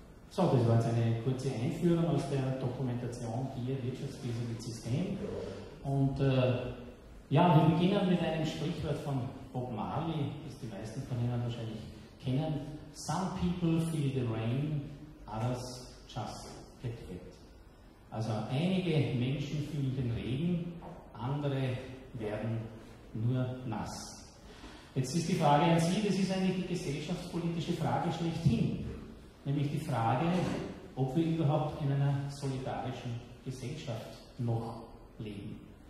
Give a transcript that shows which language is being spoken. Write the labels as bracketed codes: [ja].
[de] So, das war jetzt eine kurze Einführung aus der Dokumentation hier, Wirtschaftskrise mit System. Und ja, wir beginnen mit einem Sprichwort von Bob Marley, das die meisten von Ihnen wahrscheinlich kennen. [en] Some people feel the rain, others just get wet. [de] Also einige Menschen fühlen den Regen, andere werden nur nass. Jetzt ist die Frage an Sie, das ist eigentlich die gesellschaftspolitische Frage schlechthin. Nämlich die Frage, ob wir überhaupt in einer solidarischen Gesellschaft noch leben.